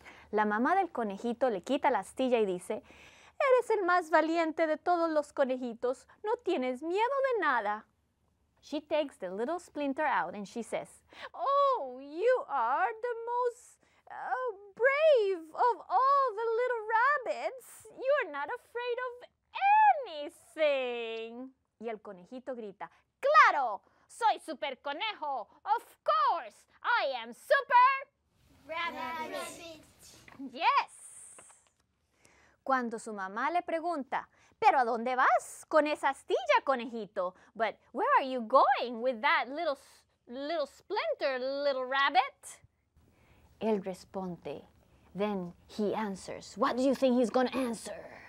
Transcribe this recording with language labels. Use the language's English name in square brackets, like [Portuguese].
[Spanish] La mamá del conejito le quita la astilla y dice, eres el más valiente de todos los conejitos. No tienes miedo de nada. [English] She takes the little splinter out and she says, oh, you are the most brave of all the little rabbits. You are not afraid of anything. [Spanish] Y el conejito grita, claro, soy super conejo. [English] Of course, I am super rabbit. Yes. [Spanish] Cuando su mamá le pregunta, ¿pero a dónde vas con esa astilla, conejito? [English] But where are you going with that little splinter, little rabbit? [Spanish] Él responde. [English] Then he answers. What do you think he's going to answer?